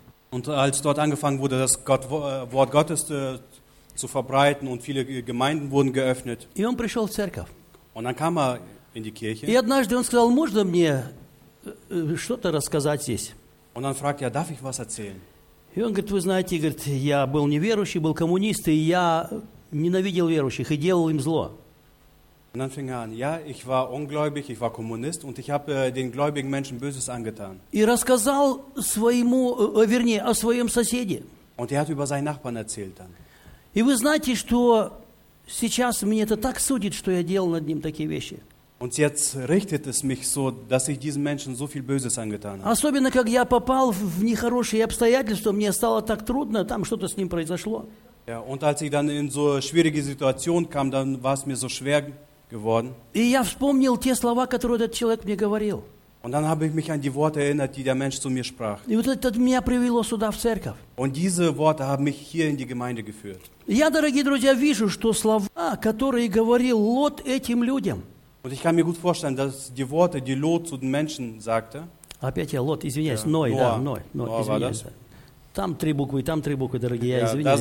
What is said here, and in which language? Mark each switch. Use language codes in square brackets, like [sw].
[de] Und als dort angefangen wurde, das Gott, Wort Gottes zu verbreiten und viele Gemeinden wurden geöffnet. [ru] И он пришел в церковь. [de] Und dann kam er in die Kirche. [ru] И однажды он сказал: "Можно мне что-то рассказать здесь?" [de] Und dann fragt er: "Darf ich was erzählen?" [ru] И он говорит: "Вы знаете, говорит, я был неверующий, был коммунист, и я ненавидел верующих и делал им зло." [de] Und dann fing er an: "Ja, ich war ungläubig, ich war Kommunist und ich habe den gläubigen Menschen Böses angetan." [ru] И рассказал своему, вернее, о своем соседе. [de] Und er hat über seinen Nachbarn erzählt dann. [ru] И вы знаете, что сейчас меня это так судит, что я делал над ним такие вещи. [de] Und jetzt richtet es mich so, dass ich diesen Menschen so viel Böses angetan habe. [ru] Особенно, как я попал в нехорошие обстоятельства, мне стало так трудно, там что-то с ним произошло. [de] Ja, und als ich dann in so schwierige Situation kam, dann war es mir so schwer geworden. [ru] И я вспомнил те слова, которые этот человек мне говорил. [de] Und dann habe ich mich an die Worte erinnert, die der Mensch zu mir sprach. [ru] И вот это меня привело сюда, в церковь. [de] Und diese Worte haben mich hier in die Gemeinde geführt. [ru] Я, дорогие друзья, вижу, что слова, которые говорил Лот этим людям. [de] Und ich kann mir gut vorstellen, dass die Worte, die Lot zu den Menschen sagte. [ru] Опять я Лот, извиняюсь, ja, Ной, Ноа, да, Ной, Ной, Ноа, извиняюсь. [de] Das? [ru] Там три буквы, там три буквы, дорогие, yeah, я извиняюсь.